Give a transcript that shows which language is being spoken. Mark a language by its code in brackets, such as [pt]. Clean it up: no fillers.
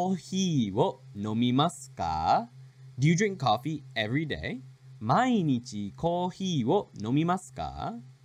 [ja] 毎日コーヒーを飲みますか? [en] Do you drink coffee every day? [ja] 毎日コーヒーを飲みますか?